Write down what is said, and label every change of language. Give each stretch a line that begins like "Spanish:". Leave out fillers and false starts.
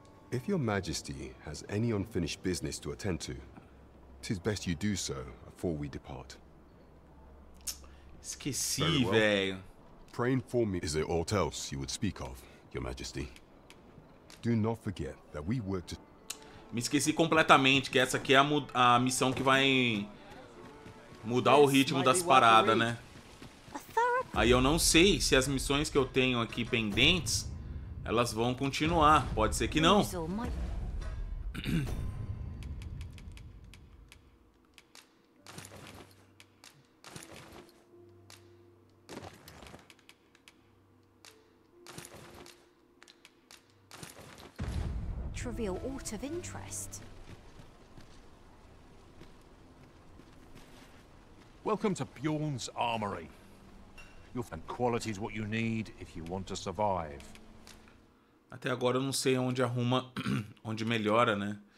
English: If your majesty has any unfinished business to attend to, 'tis best you do so before we depart.
Portuguese: Esqueci, velho.
English: Pray inform me, is there aught else you would speak of, your majesty? Do not forget that we work to...
Portuguese: Me esqueci completamente, que essa aqui é a missão que vai mudar o ritmo das paradas, né? Aí eu não sei se as missões que eu tenho aqui pendentes, elas vão continuar. Pode ser que não.
English: Trivial aught of interest. Welcome to Bjorn's Armory. And quality is what you need if you want to survive.
Portuguese: Até agora eu não sei onde arruma, onde melhora, né?